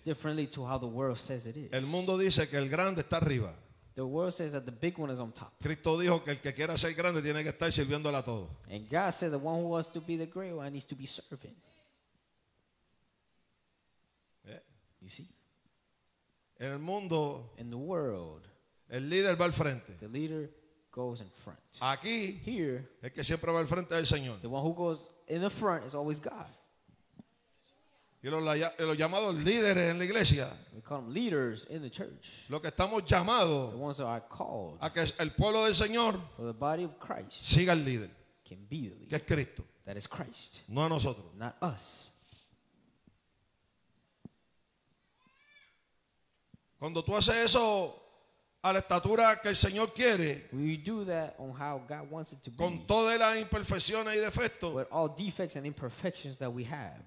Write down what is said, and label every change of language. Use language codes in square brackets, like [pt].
[en] Differently to how the world says it is. [es] El mundo dice que el grande está arriba. [en] The world says that the big one is on top. [es] Cristo dijo que el que quiera ser grande tiene que estar sirviéndole a todos. [en] And God said the one who wants to be the great one needs to be serving. Yeah. You see? [es] En el mundo, [en] in the world, [es] el líder va al frente. [en] The leader goes in front. [es] Aquí, [en] here, [es] el que siempre va al frente es el Señor. [en] The one who goes in the front is always God. [es] Y los llamados líderes en la iglesia. [en] We call them leaders in the church. [es] Lo que estamos llamados. [en] The ones that are called. [es] A que el pueblo del Señor. [en] For the body of Christ. [es] Siga al líder. [en] Can be the leader. [es] Que es Cristo. [en] That is Christ. [es] No a nosotros. [en] Not us. [es] Cuando tú haces eso a la estatura que el Señor quiere. [en] We do that on how God wants it to be. [es] Con todas las imperfecciones y defectos. [en] With all defects and imperfections that we have.